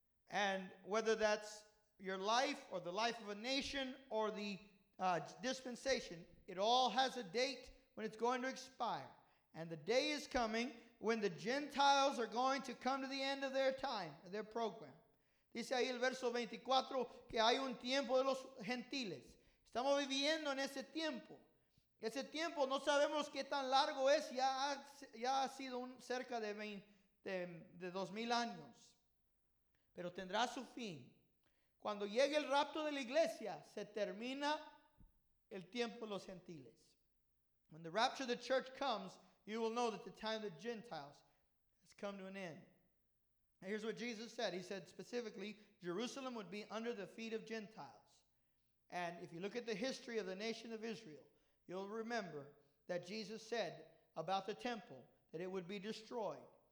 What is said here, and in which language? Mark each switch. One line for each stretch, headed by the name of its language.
English: And whether that's your life or the life of a nation or the dispensation, it all has a date when it's going to expire. And the day is coming when the Gentiles are going to come to the end of their time, their program.
Spanish: Dice ahí el verso 24 que hay un tiempo de los gentiles. Estamos viviendo en ese tiempo. Ese tiempo no sabemos qué tan largo es. Ya ha sido cerca de 2,000 años. Pero tendrá su fin. Cuando llegue el rapto de la iglesia, se termina el tiempo de los gentiles.
English: When the rapture of the church comes, you will know that the time of the Gentiles has come to an end. And here's what Jesus said. He said specifically, Jerusalem would be under the feet of Gentiles. And if you look at the history of the nation of Israel, you'll remember that Jesus said about the temple that it would be destroyed.